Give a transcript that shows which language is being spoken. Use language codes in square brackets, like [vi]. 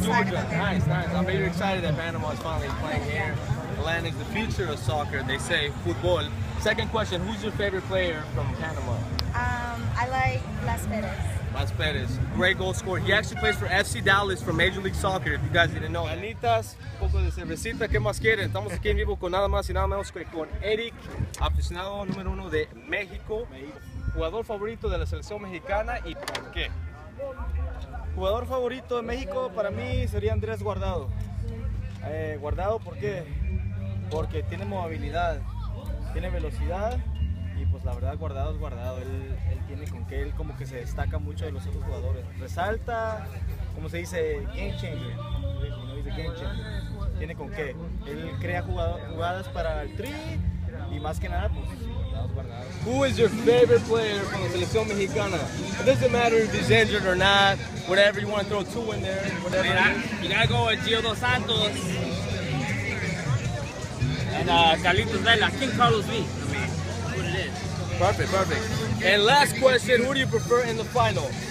[en] Georgia. Nice, nice. I'm very excited that Panama is finally playing here. Atlanta's the future of soccer, they say, football. Second question, who's your favorite player from Panama? I like Las Perez. Las Perez, great goal scorer. He actually plays for FC Dallas for Major League Soccer, if you guys didn't know. [es] Anitas, un poco de cervecita, ¿qué más quieren? Estamos aquí en vivo con nada más y nada menos que con Eric, aficionado número uno de México. Jugador favorito de la selección mexicana y por qué? Jugador favorito de México para mí sería Andrés Guardado. Guardado, ¿por qué? Porque tiene movilidad, tiene velocidad. Y pues la verdad, Guardado es Guardado, él tiene con qué, él como que se destaca mucho de los otros jugadores. Resalta, como se dice, game changer, como dice game changer, tiene con qué. Él crea jugadas para el tri y más que nada, pues Guardado es Guardado. [en] Who is your favorite player from the [es] selección mexicana? [en] It doesn't matter if he's injured or not, whatever, you want to throw two in there, whatever. You gotta go with Gio Dos Santos and Carlitos Vela, King Carlos V. Perfect, perfect. And last question, who do you prefer in the final?